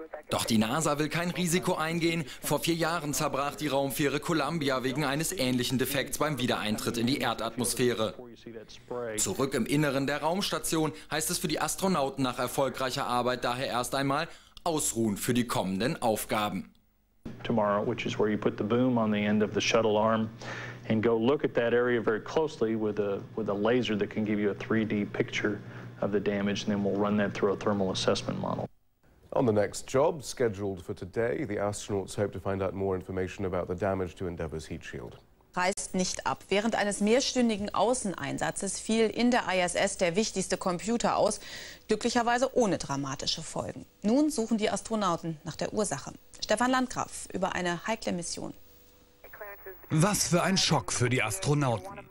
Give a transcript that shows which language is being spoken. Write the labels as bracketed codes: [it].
[de] Doch die NASA will kein Risiko eingehen. Vor 4 Jahren zerbrach die Raumfähre Columbia wegen eines ähnlichen Defekts beim Wiedereintritt in die Erdatmosphäre. Zurück im Inneren der Raumstation heißt es für die Astronauten nach erfolgreicher Arbeit daher erst einmal ausruhen für die kommenden Aufgaben. [en] Tomorrow, which is where you put the boom on the end of the shuttle arm and go look at that area very closely with a laser that can give you a 3D picture of the damage, and then we'll run that through a thermal assessment model. On the next job, scheduled for today, the astronauts hope to find out more information about the damage to Endeavour's heat shield. [de] Reißt nicht ab. Während eines mehrstündigen Außeneinsatzes fiel in der ISS der wichtigste Computer aus, glücklicherweise ohne dramatische Folgen. Nun suchen die Astronauten nach der Ursache. Stefan Landgraf über eine heikle Mission. Was für ein Schock für die Astronauten.